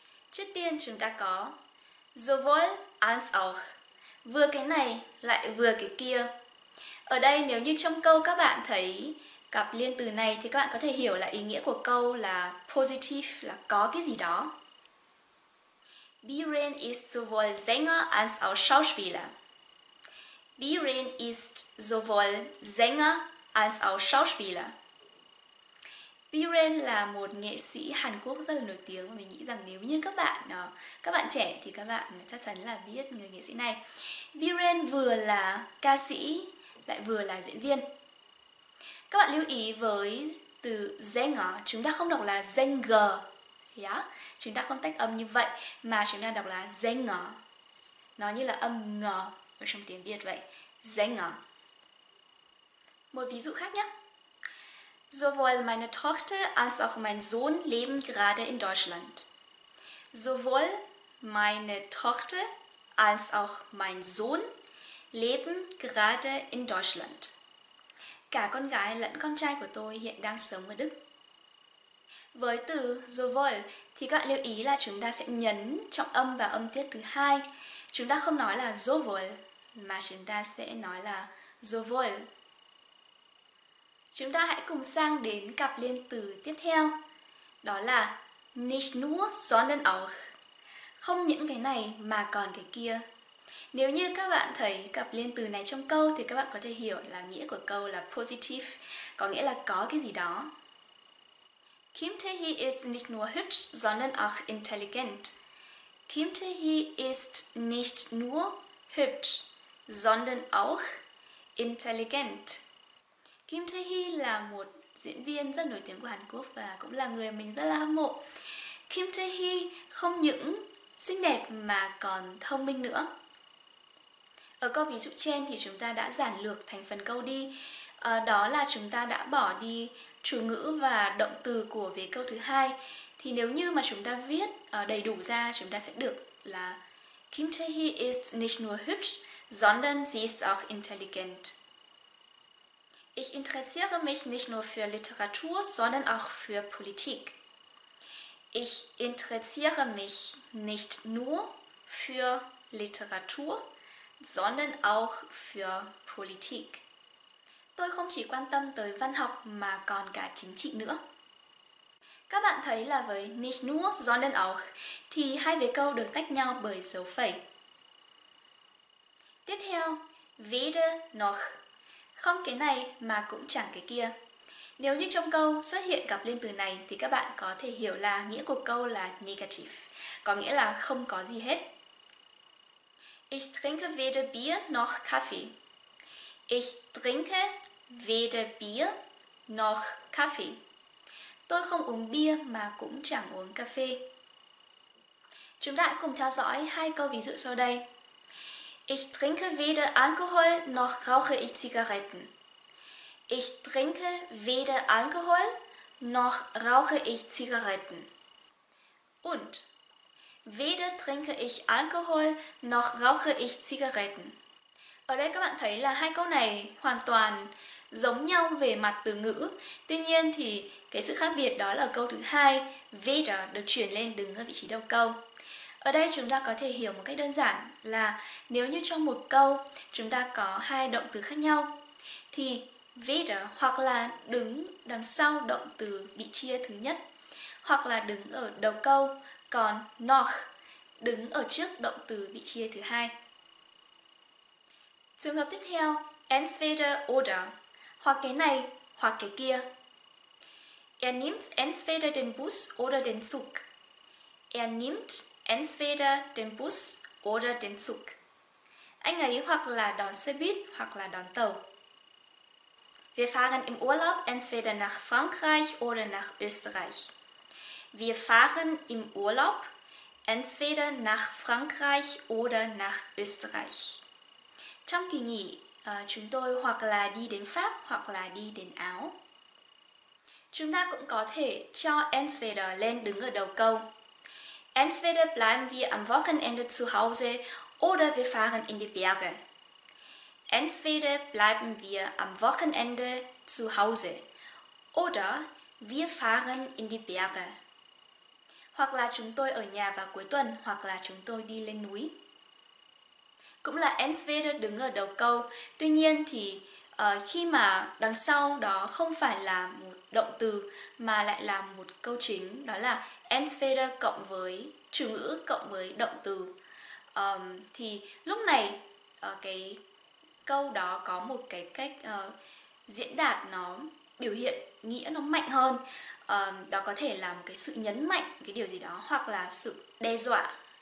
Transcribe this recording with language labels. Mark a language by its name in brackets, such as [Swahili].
[Vietnamese] Trước tiên chúng ta có sowohl als auch. Vừa cái này lại vừa cái kia. Ở đây nếu như trong câu các bạn thấy cặp liên từ này thì các bạn có thể hiểu là ý nghĩa của câu là positive, là có cái gì đó. [German] Biren ist sowohl Sänger als auch Schauspieler. Biren ist sowohl Sänger als auch Schauspieler. [Vietnamese] Biren là một nghệ sĩ Hàn Quốc rất là nổi tiếng và mình nghĩ rằng nếu như các bạn trẻ thì các bạn chắc chắn là biết người nghệ sĩ này. Biren vừa là ca sĩ lại vừa là diễn viên. Các bạn lưu ý với từ Sänger, chúng ta không đọc là Sänger, yeah. Chúng ta không tách âm như vậy mà chúng ta đọc là Sänger. Nó như là âm ng ở trong tiếng Việt vậy, Sänger. Một ví dụ khác nhé. [German] Sowohl meine Tochter als auch mein Sohn leben gerade in Deutschland. Sowohl meine Tochter als auch mein Sohn leben gerade in Deutschland. [Vietnamese] Cả con gái lẫn con trai của tôi hiện đang sống ở Đức. Với từ sowohl thì các bạn lưu ý là chúng ta sẽ nhấn trọng âm và âm tiết thứ hai. Chúng ta không nói là sowohl mà chúng ta sẽ nói là sowohl. Chúng ta hãy cùng sang đến cặp liên từ tiếp theo. Đó là nicht nur, sondern auch. Không những cái này mà còn cái kia. Nếu như các bạn thấy cặp liên từ này trong câu thì các bạn có thể hiểu là nghĩa của câu là positive, có nghĩa là có cái gì đó. [German] Kim Tae-hee ist nicht nur hübsch, sondern auch intelligent. Kim Tae-hee ist nicht nur hübsch, sondern auch intelligent. [Vietnamese] Kim Tae-hee là một diễn viên rất nổi tiếng của Hàn Quốc và cũng là người mình rất là hâm mộ. Kim Tae-hee không những xinh đẹp mà còn thông minh nữa. Ở câu ví dụ trên thì chúng ta đã giản lược thành phần câu đi. Đó là chúng ta đã bỏ đi chủ ngữ và động từ của vế câu thứ hai. Thì nếu như mà chúng ta viết đầy đủ ra, chúng ta sẽ được là [German] Kim Tae-hee ist nicht nur hübsch, sondern sie ist auch intelligent. Ich interessiere mich nicht nur für Literatur, sondern auch für Politik. Ich interessiere mich nicht nur für Literatur, sondern auch für Politik. [Vietnamese] Tôi không chỉ quan tâm tới văn học mà còn cả chính trị nữa. Các bạn thấy là với nicht nur, sondern auch thì hai vế câu được tách nhau bởi dấu phẩy. Tiếp theo, weder noch. Không cái này mà cũng chẳng cái kia. Nếu như trong câu xuất hiện cặp liên từ này thì các bạn có thể hiểu là nghĩa của câu là negative, có nghĩa là không có gì hết. [German] Ich trinke weder Bier noch Kaffee. Ich trinke weder Bier noch Kaffee. [Vietnamese] Tôi không uống bia mà cũng chẳng uống cà phê. Chúng ta cùng theo dõi hai câu ví dụ sau đây. [German] Ich trinke weder Alkohol noch rauche ich Zigaretten. Ich trinke weder Alkohol noch rauche ich Zigaretten. Und weder trinke ich Alkohol noch rauche ich Zigaretten. [Vietnamese] Ở đây các bạn thấy là hai câu này hoàn toàn giống nhau về mặt từ ngữ. Tuy nhiên thì cái sự khác biệt đó là câu thứ hai, weder được chuyển lên đứng ở vị trí đầu câu. Ở đây chúng ta có thể hiểu một cách đơn giản là nếu như trong một câu chúng ta có hai động từ khác nhau thì weder hoặc là đứng đằng sau động từ bị chia thứ nhất hoặc là đứng ở đầu câu, còn noch đứng ở trước động từ bị chia thứ hai. Trường hợp tiếp theo, entweder oder, hoặc cái này hoặc cái kia. [German] Er nimmt entweder den Bus oder den Zug. Er nimmt entweder den Bus oder den Zug. [Vietnamese] Anh ấy hoặc là đón xe buýt hoặc là đón tàu. [German] Wir fahren im Urlaub entweder nach Frankreich oder nach Österreich. Wir fahren im Urlaub entweder nach Frankreich oder nach Österreich. [Vietnamese] Trong kỳ nghỉ, chúng tôi hoặc là đi đến Pháp hoặc là đi đến Áo. Chúng ta cũng có thể cho entweder lên đứng ở đầu câu. [German] Entweder bleiben wir am Wochenende zu Hause oder wir fahren in die Berge. Entweder bleiben wir am Wochenende zu Hause oder wir fahren in die Berge. [Vietnamese] Hoặc là chúng tôi ở nhà vào cuối tuần hoặc là chúng tôi đi lên núi. Cũng là entweder đứng ở đầu câu, tuy nhiên thì khi mà đằng sau đó không phải là một động từ mà lại là một câu chính, đó là entweder cộng với chủ ngữ cộng với động từ, thì lúc này cái câu đó có một cái cách diễn đạt nó biểu hiện nghĩa nó mạnh hơn, đó có thể là một cái sự nhấn mạnh cái điều gì đó hoặc là sự đe dọa.